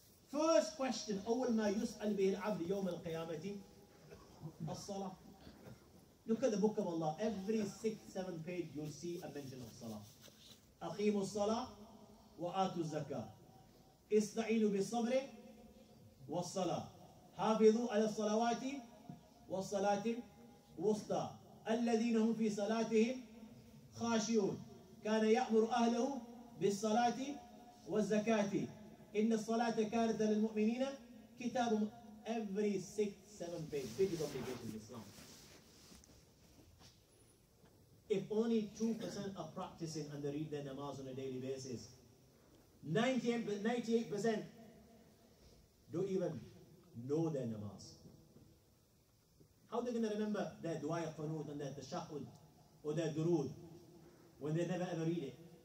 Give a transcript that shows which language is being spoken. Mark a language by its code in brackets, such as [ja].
[en] First question, [ar] أول ما يسأل به العبد يوم القيامة الصلاة. [en] Look at the book of Allah. Every 6-7 page you'll see a mention of salah. [ar] أقيموا الصلاة وآتوا الزكاة استعينوا بالصبر والصلاة حافظوا على الصلوات والصلاة الوسطى الذين هم في صلاتهم خاشعون كان يأمر أهله بالصلاة والزكاة إن الصلاة كانت للمؤمنين كتاب [en] every 6-7 page biggest obligation in Islam. If only 2% are practicing and they read their namaz on a daily basis, 98% don't even know their namaz. How are they going to remember their du'a qanood and their tashahud or their durood when they never ever read it?